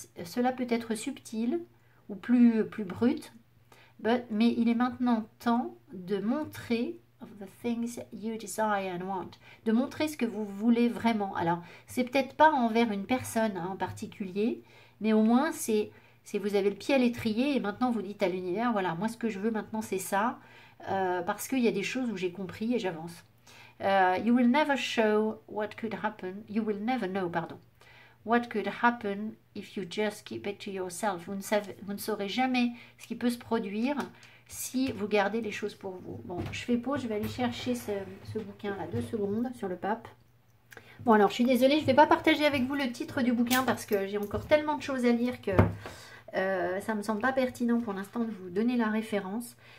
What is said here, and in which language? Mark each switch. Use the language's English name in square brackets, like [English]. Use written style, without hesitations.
[French] Cela peut être subtil ou plus brut, mais il est maintenant temps de montrer « [English] the things you desire and want [French] », de montrer ce que vous voulez vraiment. Alors, c'est peut-être pas envers une personne hein, en particulier, mais au moins, c'est vous avez le pied à l'étrier et maintenant vous dites à l'univers, voilà, moi ce que je veux maintenant c'est ça, parce qu'il y a des choses où j'ai compris et j'avance. [English] You will never show what could happen, you will never know, pardon, what could happen if you just keep it to yourself. [French] Vous ne saurez jamais ce qui peut se produire si vous gardez les choses pour vous. Bon, je fais pause, je vais aller chercher ce bouquin-là, 2 secondes, sur le pape. Bon, alors, je suis désolée, je ne vais pas partager avec vous le titre du bouquin parce que j'ai encore tellement de choses à lire que ça ne me semble pas pertinent pour l'instant de vous donner la référence.